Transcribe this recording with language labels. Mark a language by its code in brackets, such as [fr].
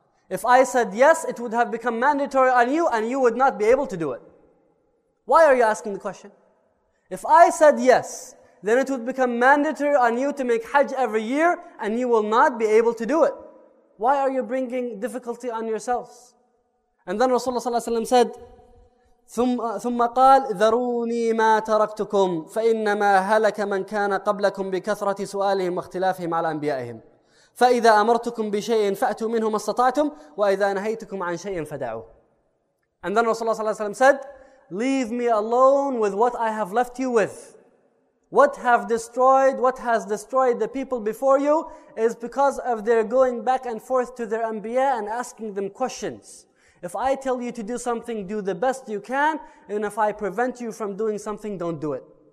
[en] If I said yes, it would have become mandatory on you and you would not be able to do it. Why are you asking the question? If I said yes, then it would become mandatory on you to make hajj every year and you will not be able to do it. Why are you bringing difficulty on yourselves? And then Rasulullah sallallahu alaihi wasallam said, [ar] ثُمَّ قَالْ ذَرُونِي مَا تَرَكْتُكُمْ فَإِنَّمَا هَلَكَ مَنْ كَانَ قَبْلَكُمْ بِكَثْرَةِ سُؤَالِهِمْ وَاخْتِلَافِهِمْ عَلَى أَنْبِيَائِهِمْ فَإِذَا أَمَرْتُكُمْ بِشَيْءٍ فَأْتُوا مِنْهُ مَا اسْتَطَعْتُمْ وَإِذَا نَهَيْتُكُمْ عَنْ شَيْءٍ فَدَعُوا. [en] And then Rasulullah ﷺ said, leave me alone with what I have left you with. What has destroyed the people before you is because of their going back and forth to their anbiya and asking them questions. If I tell you to do something, do the best you can. And if I prevent you from doing something, don't do it.